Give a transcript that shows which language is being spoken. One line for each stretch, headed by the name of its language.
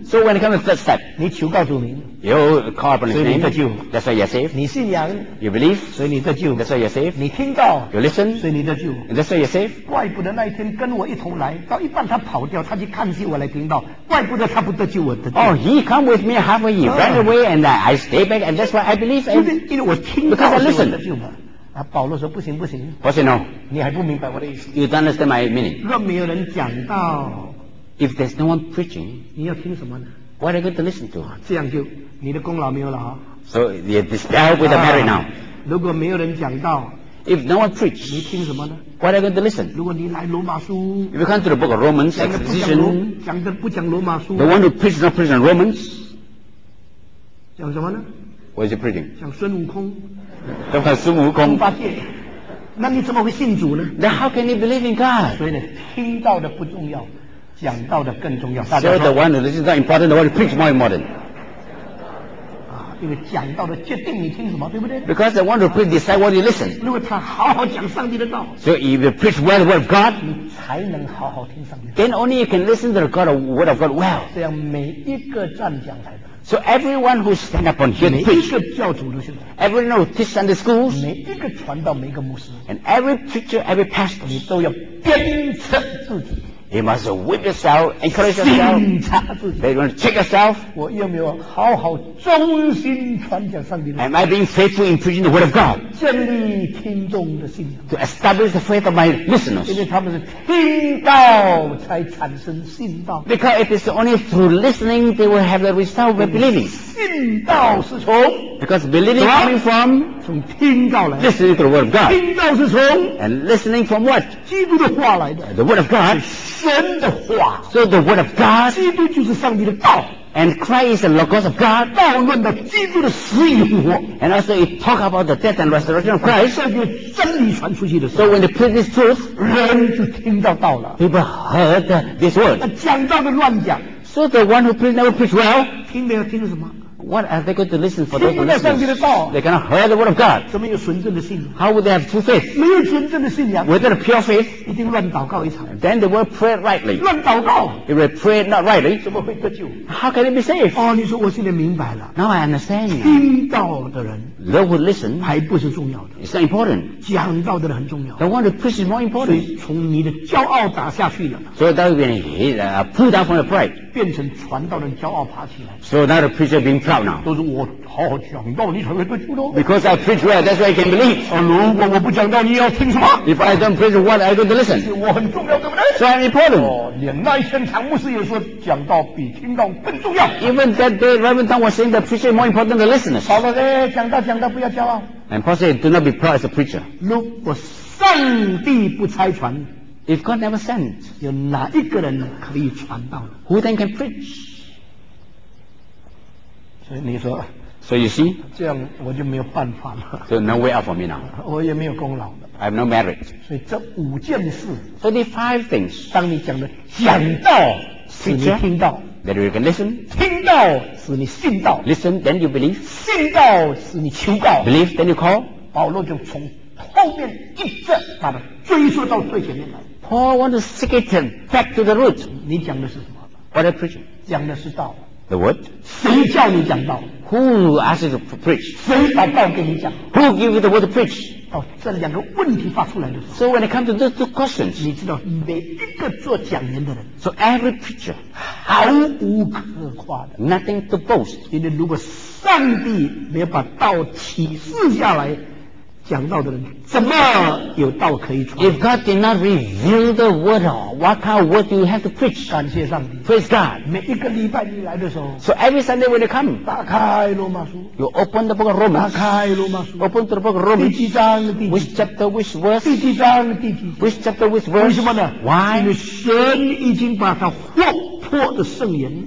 English: So when it comes to third step,
Chinese: 你求告主名。
English: You call upon His name. That's why you're safe.
Chinese: 你信仰。
English: You believe.
Chinese: 所以你得救。
English: That's why you're safe.
Chinese: 你听到。
English: You listen.
Chinese: 所以你得救。
English: That's why you're safe.
Chinese: 怪不得那一天跟我一同来，到一半他跑掉，他去看戏，我来听到。怪不得他不得救，我得救。
English: Oh, he come with me half a year, ran away, and I stay back, and that's why I believe.
Chinese: 就是因为我听到，所以我得救嘛。啊，保罗说不行不行。不行哦。你还不明白我的意思。
English: You don't understand my meaning.
Chinese: 若没有人讲到。
English: If there's no one preaching.
Chinese: 你要听什么呢？
English: What are you going to listen to?
Chinese: 这样就你的功劳没有了、
English: 哦、So you dispelled with the merit now.
Chinese: 如果没有人讲道
English: If no one preach,
Chinese: 你听什么呢
English: What are you going to listen?
Chinese: 如果你来罗马书
English: If you come to the book of Romans, exposition,
Chinese: 讲的不讲罗马书
English: The one who preaches not preaching Romans,
Chinese: 讲什么呢
English: What is he preaching?
Chinese: 讲孙悟空讲孙悟空八戒那你怎么会信主呢
English: Then how can you believe in God?
Chinese: 所以呢听到的不重要讲到的更重要。
English: So the one who listens is not important, the one who preaches more important.
Chinese: 啊，因为讲到的决定你听什么，对不对
English: ？Because the one who preaches decides what you listen.
Chinese: 如果他好好讲上帝的道
English: ，So if you preach well the word of God,
Chinese: 你才能好好听上帝。
English: Then only you can listen to the God of word of God well.
Chinese: 这样每一个站讲台。
English: So everyone who stand up on here to preach,
Chinese: 每一个教主都是
English: everyone who teach Sunday schools,
Chinese: 每一个传道每一个牧师
English: and every preacher, every pastor,
Chinese: 你都要鞭策自己。
English: You must whip yourself, encourage yourself. Check yourself.
Chinese: 我有没有好好忠心传讲上帝的？
English: Am I being faithful in preaching the word of God?
Chinese: 建立听众的信仰。
English: To establish the faith of my listeners.
Chinese: 因为他们是听到才产生信道。
English: Because it is only through listening they will have the result of believing.
Chinese: 信道是从
English: Because believing coming from
Chinese: 从听到来
English: listening to the word of God.
Chinese: 听到是从
English: and listening from what
Chinese: 基督的话来的
English: the word of God.
Chinese: 神的话
English: so the word of God
Chinese: 基督就是上帝的道
English: and Christ is the Logos of God
Chinese: 道论的基督的死与复活
English: and also it talk about the death and resurrection of Christ
Chinese: 上帝真理传出去的时候
English: so when they preach this truth
Chinese: 人就听到道了
English: people heard the, this word
Chinese: 讲道的乱讲
English: so the one who preach never preach well
Chinese: 听没有听什么
English: What are they going to listen for those who listen?
Chinese: 听不到上帝的道。
English: They cannot hear the word of God.
Chinese: 怎么有纯正的信仰？
English: How would they have true faith?
Chinese: 没有纯正的信仰。
English: Without a pure faith,
Chinese: 一定乱祷告一场。
English: Then they will pray rightly.
Chinese: 乱祷告。
English: If they pray not rightly,
Chinese: 怎么会得救？
English: How can they be saved?
Chinese: 哦，你说我现在明白了。
English: Now I understand.
Chinese: 听到的人。
English: Those who listen.
Chinese: 还不是重要的。
English: It's not important.
Chinese: 讲到的人很重要。
English: The one who preaches is more important.
Chinese: 所以从你的骄傲打下去了。
English: So that will be hit, pulled down from the pride.
Chinese: 变成传道人骄傲爬起来。
English: So now the preacher being proud now.
Chinese: 都是我好好讲道，你才会得救的。
English: Because I preach well, that's why I can believe.
Chinese: 如果我不讲道，你要听什么
English: ？If I don't preach, what are you going to listen?
Chinese: 我很重要，对不对
English: ？So I'm important.
Chinese: 连那一天唐牧师也说，讲道比听道更重要。
English: Even that day, Reverend Tang was saying that preaching more important than listeners.
Chinese: 好了，讲道讲道，不要骄傲。
English: And Paul said, do not be proud as a preacher.
Chinese: 如果上帝不拆穿。
English: If God never sent,
Chinese: 有哪一个人可以传道呢
English: ？Who then can preach?
Chinese: 所以你说
English: ，So you see,
Chinese: 这样我就没有办法了。
English: So no way out for me now.
Chinese: 我也没有功劳的。
English: I have no merit.
Chinese: 所以这五件事
English: ，So the five things.
Chinese: 当你讲的讲道，使你听到
English: ，That you can listen.
Chinese: 听到使你信道
English: ，Listen then you believe.
Chinese: 信道使你求告
English: ，Believe then you call.
Chinese: 保罗就从后面一直把它追溯到最前面来。
English: Paul wants to stick it back to the root.
Chinese: 你讲的是什么
English: What are you preaching?
Chinese: 讲的是道。
English: The word?
Chinese: 谁叫你讲道
English: Who asked you to preach?
Chinese: 谁把道给你讲
English: Who gave you the word to preach?
Chinese: 哦，这两个问题发出来的时候。
English: So when it comes to those two questions,
Chinese: 你知道每一个做讲员的人。
English: So every preacher,
Chinese: 毫无可夸的。
English: Nothing to boast.
Chinese: 因为如果上帝没有把道启示下来。讲道的人怎么有道可以传
English: If God did not reveal the word, what kind of word do you have to preach?
Chinese: 感谢上帝
English: Praise God
Chinese: 每一个礼拜你来的时候
English: So every Sunday when you come
Chinese: 打开罗马书
English: You open the book of Romans
Chinese: 打开罗马书
English: Open the book of Romans
Chinese: 第几章第几
English: Which chapter, which verse
Chinese: 第几章第几
English: Which chapter, which verse
Chinese: 为什么呢
English: Why?
Chinese: 因为神已经把他活泼的圣言